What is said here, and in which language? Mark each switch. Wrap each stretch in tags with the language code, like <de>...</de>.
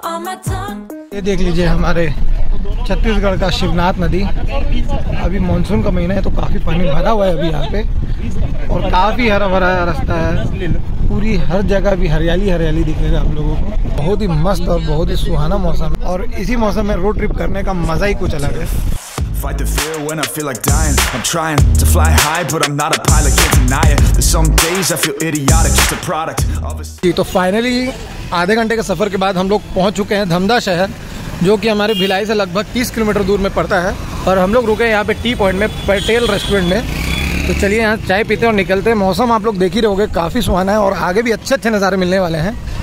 <hi>देख लीजिए हमारे छत्तीसगढ़ का शिवनाथ नदी। अभी मॉनसून का महीना है तो काफ़ी पानी भरा हुआ है अभी यहाँ पे, और काफ़ी हरा भरा रास्ता है, पूरी हर जगह भी हरियाली हरियाली दिख रही है आप लोगों को। बहुत ही मस्त और बहुत ही सुहाना मौसम, और इसी मौसम में रोड ट्रिप करने का मज़ा ही कुछ अलग है।</hi> <en>Fight the fear when I feel like dying. I'm trying to fly high, but I'm not a pilot. Can't deny it. Some days I feel idiotic, just a product of a.</en> <hi>तो finally आधे घंटे के सफर के बाद हम लोग पहुंच चुके हैं धमदा शहर, जो कि हमारे भिलाई से लगभग 30 किलोमीटर दूर में पड़ता है। और हम लोग रुके हैं यहाँ पे टी पॉइंट में, पटेल रेस्टोरेंट में। तो चलिए यहाँ चाय पीते हैं और निकलते हैं। मौसम आप लोग देख ही रहोगे काफ़ी सुहाना है, और आगे भी अच्छे अच्छे नज़ारे मिलने वाले हैं।</hi>